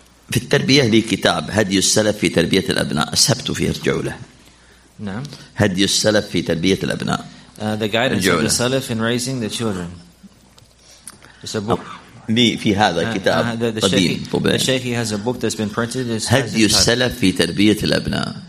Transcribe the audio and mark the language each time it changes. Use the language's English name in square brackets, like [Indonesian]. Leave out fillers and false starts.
[Arabic] في التربية لي كتاب هدي السلف في تربية الأبناء السبت فيه ارجعوا له. نعم. هدي السلف في تربية الأبناء. [English] The guidance of the Salaf in raising the children. It's a book. [Arabic] لي في هذا كتاب قديم طبعا. [English] The Sheikh has a book that's been printed. [Arabic] هدي السلف في تربية الأبناء.